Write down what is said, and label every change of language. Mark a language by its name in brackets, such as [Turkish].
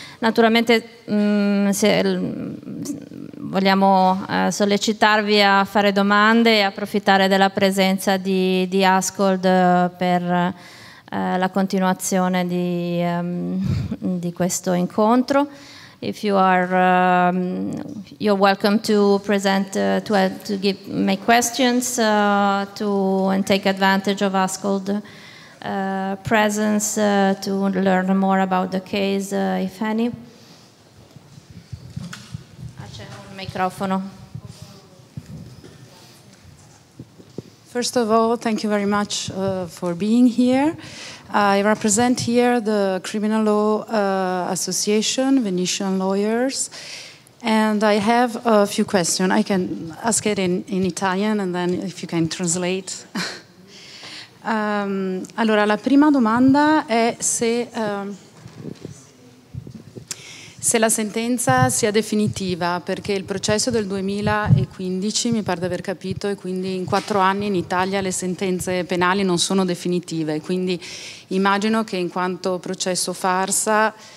[Italian] Naturalmente vogliamo sollecitarvi a fare domande e approfittare della presenza di Askold per la continuazione di questo incontro. [English] If you are you're welcome to present make questions and take advantage of Askold's presence to learn more about the case, if any. [Italian] Accetto. microfono. [English] First of all, thank you very much for being here. I represent here the Criminal Law Association, Venetian Lawyers, and I have a few questions. I can ask it in Italian and then if you can translate. [Italian] Allora, la prima domanda è se la sentenza sia definitiva, perché il processo del 2015 mi pare di aver capito, e quindi in 4 anni in Italia le sentenze penali non sono definitive, quindi immagino che in quanto processo farsa